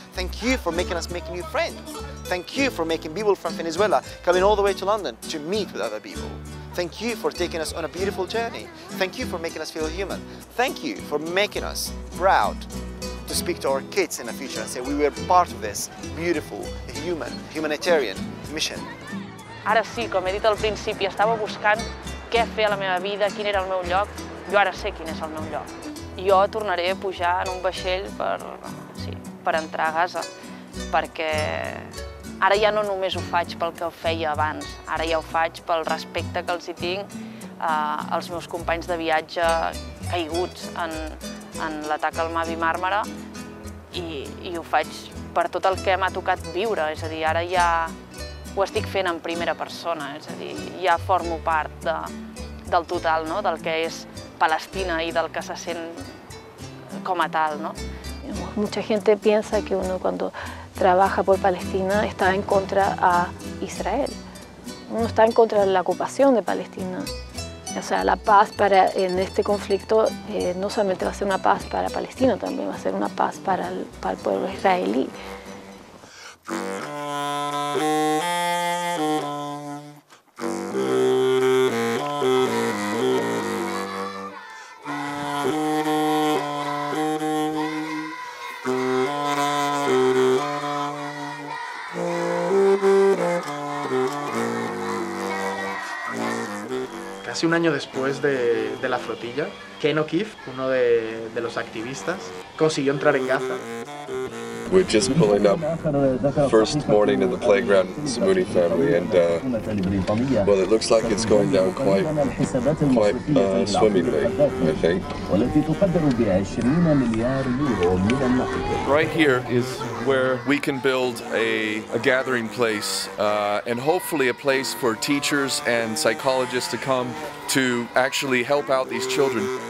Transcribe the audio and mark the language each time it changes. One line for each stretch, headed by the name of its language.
English: Thank you for making us make new friends. Thank you for making people from Venezuela coming all the way to London to meet with other people. Thank you for taking us on a beautiful journey. Thank you for making us feel human. Thank you for making us proud to speak to our kids in the future and say we were part of this beautiful, human, humanitarian mission.
Catalan: Ara sí, com he dit al principi, estava buscant què fer a la meva vida, quin era el meu lloc. Jo ara sé quin és el meu lloc. Jo tornaré a pujar en un vaixell per entrar a Gaza, perquè ara ja no només ho faig pel que ho feia abans, ara ja ho faig pel respecte que els hi tinc als meus companys de viatge caiguts en l'atac al Mavi Màrmara i ho faig per tot el que m'ha tocat viure, és a dir, ara ja ho estic fent en primera persona, és a dir, ja formo part del total, no?, del que és
Spanish: Palestina y del que
Catalan: se sent
Spanish: como tal, ¿no? Mucha gente piensa que uno cuando trabaja por Palestina está en contra a Israel. Uno está en contra de la ocupación de Palestina. O sea, la paz para, en este conflicto no solamente va a ser una paz para Palestina, también va a ser una paz para el pueblo israelí. Casi un año después de la flotilla, Ken O'Keefe, uno de los activistas, consiguió entrar en Gaza.
English: We're just pulling up. First morning in the playground, Samouni family, and well, it looks like it's going down quite swimmingly, I think. Right here is where we can build a gathering place, and hopefully a place for teachers and psychologists to come to actually help out these children.